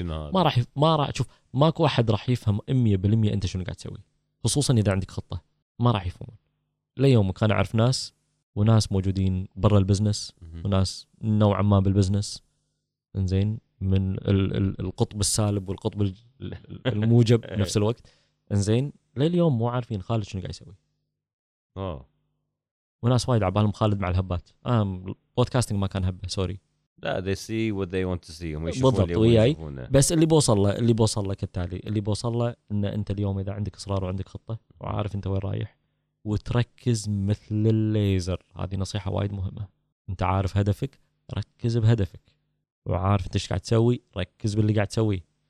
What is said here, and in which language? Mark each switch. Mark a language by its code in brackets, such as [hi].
[ar] ما راح ما راح شوف ماكو أحد راح يفهم 100% أنت شنو قاعد تسوي خصوصا إذا عندك خطة ما راح يفهمون ليومك أنا أعرف ناس وناس موجودين برا البزنس وناس نوعا ما بالبزنس إنزين من القطب السالب والقطب الموجب نفس الوقت إنزين لليوم مو عارفين خالد شنو قاعد يسوي. وناس وايد عبالهم خالد مع الهبات. بودكاستنج ما كان هبة سوري. لا [en] they see what they want to see. [ar] بالضبط وياي. بس اللي بوصل له كالتالي اللي بوصل له إن أنت اليوم إذا عندك إصرار وعندك خطة وعارف أنت وين رايح وتركز مثل الليزر هذه نصيحة وايد مهمة. أنت عارف هدفك ركز بهدفك وعارف أنت إيش قاعد تسوي ركز باللي قاعد تسوي.